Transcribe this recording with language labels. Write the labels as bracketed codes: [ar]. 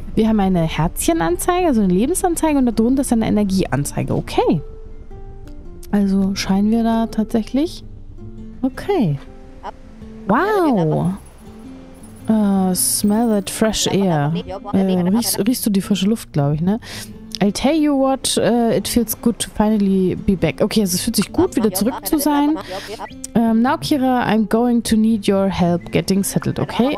[de] Wir haben eine Herzchenanzeige, also eine Lebensanzeige und darunter ist eine Energieanzeige. Okay. Also scheinen wir da tatsächlich. Okay. Wow. [en] Smell that fresh air. [de] Riechst du die frische Luft, glaube ich, ne? [en] I'll tell you what, it feels good to finally be back. [de] Okay, also es fühlt sich gut, wieder zurück zu sein. [en] Now, Kira, I'm going to need your help getting settled, okay?